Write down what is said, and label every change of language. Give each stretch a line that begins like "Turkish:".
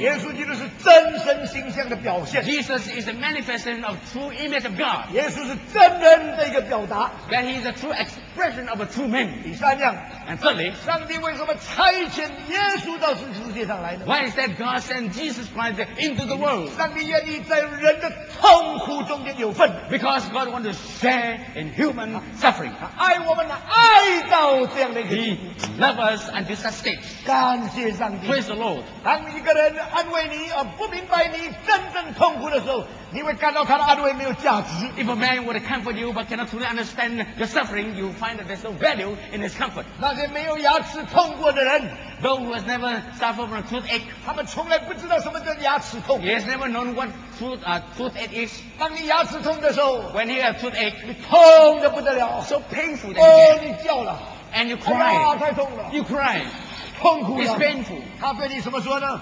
Chinese: 耶稣基督是真神形象的表现。
English: Jesus is a manifestation of true image of God.
Chinese: 耶稣是真人的一个表达。
English: That he is a true expression of a true man.
Chinese: 第三样。
English: And thirdly,
Chinese: 上帝为什么差遣耶稣到世界上来呢？
English: Why is that God sent Jesus Christ into the world?
Chinese: 上帝愿意在人的痛苦中间有份。
English: Because God wants to share in human suffering.
Chinese: 他爱我们爱到这样的一个地步。
English: He loves us until such state.
Chinese: 感谢上帝。
English: Praise the Lord.
Chinese: 当一个人安慰你而不明白你真正痛苦的时候，你会感到他的安慰没有价值。
English: If a man would comfort you but cannot truly understand your suffering, you find that there's no value in his comfort.
Chinese: 那些没有牙齿痛过的人
English: ，Those who has never suffered from a toothache,
Chinese: 他们从来不知道什么叫牙齿痛。
English: He has never known what toothache is.
Chinese: 当你牙齿痛的时候
English: ，When he has toothache,
Chinese: 你痛得不得了
English: ，So painful.
Chinese: 哦，你叫了
English: ，And you cry.
Chinese: 哎呀，太痛了
English: ，You cry.
Chinese: 痛苦
English: It's painful.
Chinese: 他对你怎么说呢